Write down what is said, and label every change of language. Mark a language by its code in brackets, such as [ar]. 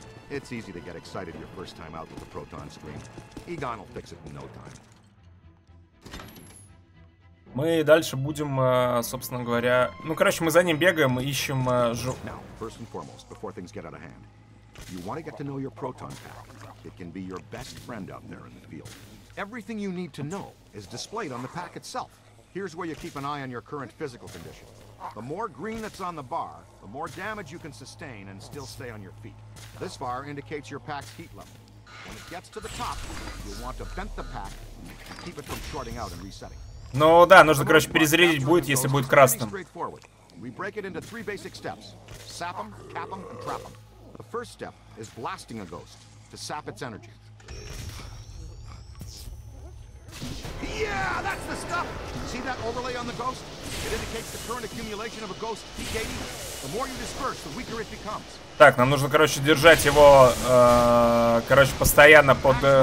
[en] It's easy to get excited your first time out with the proton stream. Egon will fix it in no time. [ru] Мы дальше будем, собственно говоря... Ну, короче, мы за ним бегаем и ищем [en] Now, first and foremost, before things get out of hand, you want to get to know your proton pack. It can be your best friend out there in the field. Everything you need to know is displayed on the pack itself. Here's where you keep an eye on your current physical condition. The more green that's on the bar, the more damage you can sustain and still stay on your feet. This bar indicates your pack's heat level. When it gets to the top, you'll want to vent the pack and keep it from shorting out and resetting. [ru] Ну да, нужно, короче, перезарядить будет, если будет красным. [en] We break it into three basic steps. Sap them, cap them, and trap them. The first step is blasting a ghost to sap its energy. Yeah, that's the stuff! See that overlay on the ghost? It indicates the current accumulation of a ghost decaying. The more you disperse, the weaker it becomes. [ru] Так, нам нужно, короче, держать его, короче, постоянно под...